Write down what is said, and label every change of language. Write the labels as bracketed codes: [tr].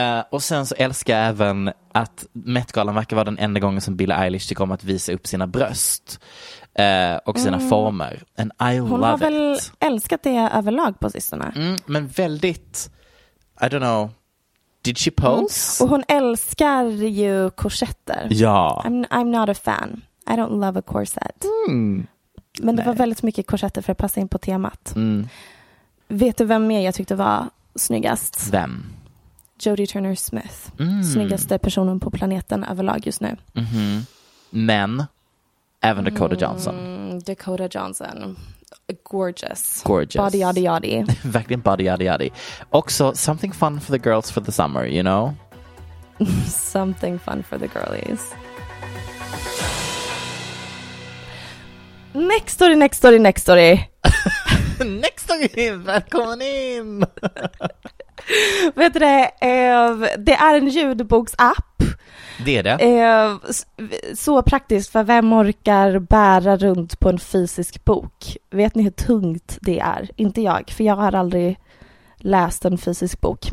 [sv] Och sen så älskar jag även att Met-galan verkar vara den enda gången som Billie Eilish tyckte om att visa upp sina bröst. Och sina former. [en] And I [sv] hon [en] love [sv] har väl [en] it. [sv] Älskat det överlag på sistone. Men väldigt, [en] I don't know, did she pose? [sv] Och hon älskar ju korsetter. Ja. [en] I'm not a fan. I don't love a corset. [sv] Men det var väldigt mycket korsetter för att passa in på temat. Vet du vem mer jag tyckte var snyggast? Vem? Jodie Turner Smith. Snyggaste personen på planeten överlag just nu. Men även Dakota Johnson. [en] Dakota Johnson. Gorgeous. Gorgeous. Body, yaddy, yaddy. [sv] Verkligen [en] body, yaddy, yaddy. [sv] Också, [en] something fun for the girls for the summer, you know? Something fun for the girlies. Next story, next story, next story. [sv] Next story, välkommen in. Vet du det? Det är en ljudboksapp. Det är det. Så praktiskt, för vem orkar bära runt på en fysisk bok? Vet ni hur tungt det är? Inte jag, för jag har aldrig läst en fysisk bok.